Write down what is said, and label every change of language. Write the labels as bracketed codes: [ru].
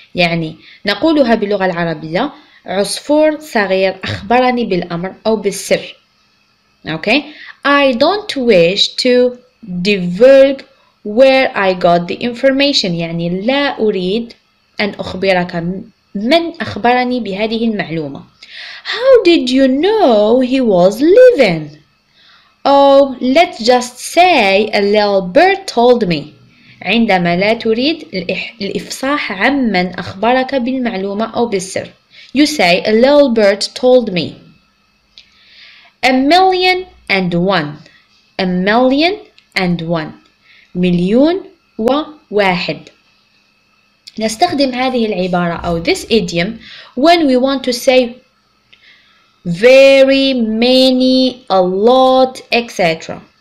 [ar] يعني نقولها باللغة العربية عصفور صغير أخبرني بالأمر أو بالسر. [en] Okay, I don't wish to divulge where I got the information. [ar] يعني لا أريد أن أخبرك من أخبرني بهذه المعلومة. [en] How did you know he was leaving? Oh, let's just say a little bird told me. [ar] عندما لا تريد الإفصاح عمن أخبرك بالمعلومة أو بالسر. [en] You say a little bird told me. A million and one. A million and one. [ar] مليون وواحد. نستخدم هذه العبارة أو [en] this idiom when we want to say very, many, a lot, etc.